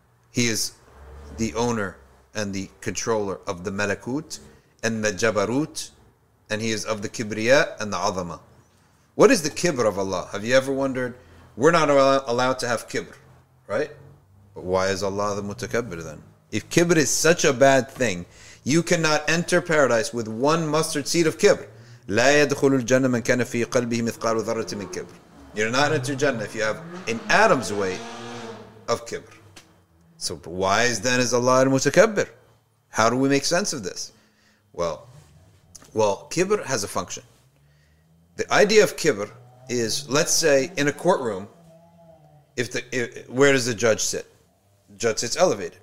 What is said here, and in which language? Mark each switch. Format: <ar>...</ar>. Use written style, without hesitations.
<en>He is the owner and the controller of the Malakut and the Jabarut, and he is of the Kibriyai and the Azama. What is the Kibr of Allah? Have you ever wondered? We're not allowed to have Kibr, right? But why is Allah the Mutakabbir then? If kibr is such a bad thing, you cannot enter paradise with one mustard seed of kibr.</en> <ar>لا يدخل الجنة من كان في قلبه مثقال ذرة من كبر.</ar> <en>You're not enter Jannah if you have an atom's weight of kibr. So why then is Allah the Mutakabbir? How do we make sense of this? Well, kibr has a function. The idea of kibr is, let's say, in a courtroom, where does the judge sit? Judge sits elevated.</en>